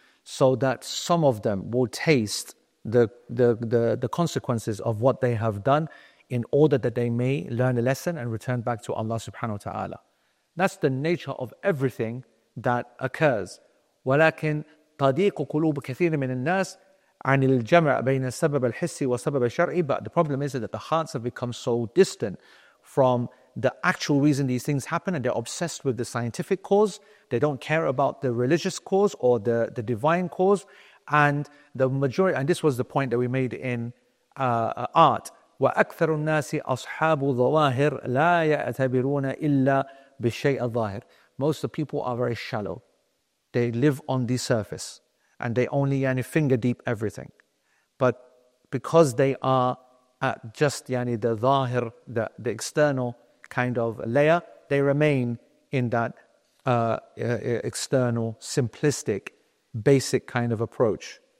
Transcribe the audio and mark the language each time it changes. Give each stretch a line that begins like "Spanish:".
English: so that some of them will taste the consequences of what they have done in order that they may learn a lesson and return back to Allah subhanahu wa ta'ala. That's the nature of everything that occurs. Walakin,
Arabic: تضيق قلوب كثير من الناس عن الجمع بين السبب الحسي وسبب الشرعي.
English: But the problem is that the hearts have become so distant from the actual reason these things happen, and they're obsessed with the scientific cause. They don't care about the religious cause or the divine cause. And the majority, and this was the point that we made in art.
Arabic: وأكثر الناس أصحاب الظواهر لا يعتبرون إلا بشيء الظاهر.
English: Most of the people are very shallow. They live on the surface and they only yani finger deep everything. But because they are at just yani the ظاهر, the external kind of layer, they remain in that external, simplistic, basic kind of approach.